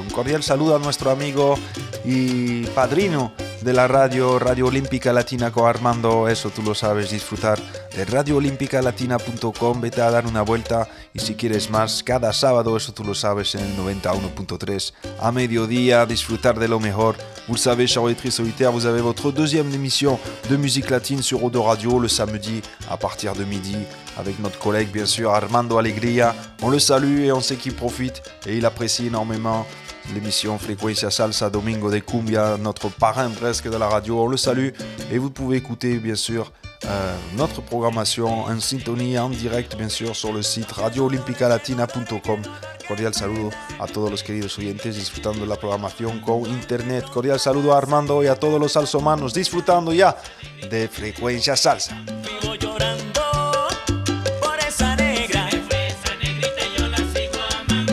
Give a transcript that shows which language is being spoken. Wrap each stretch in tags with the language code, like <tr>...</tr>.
<es>Un cordial saludo a nuestro amigo y padrino de la radio, Radio Olímpica Latina, con Armando. Eso tú lo sabes, disfrutar de radioolimpicalatina.com. Vete a dar una vuelta y si quieres más, cada sábado, eso tú lo sabes, en el 91.3 a mediodía, disfrutar de lo mejor.</es> <fr>Vous le savez, chers auditrices et auditeurs, vous avez votre deuxième émission de musique latine sur Odo Radio le samedi à partir de midi avec notre collègue, bien sûr, Armando Alegría. On le salue et on sait qu'il profite et il apprécie énormément l'émission Frecuencia Salsa Domingo de Cumbia, notre parrain presque de la radio. On le salue et vous pouvez écouter, bien sûr, notre programmation en sintonie, en direct, bien sûr, sur le site radioolimpicalatina.com.</fr> <es>Cordial saludo a todos los queridos oyentes disfrutando de la programación con internet. Cordial saludo a Armando y a todos los salsomanos disfrutando ya de Frecuencia Salsa. Vivo llorando por esa negra. Esa negrita yo la sigo amando.</es>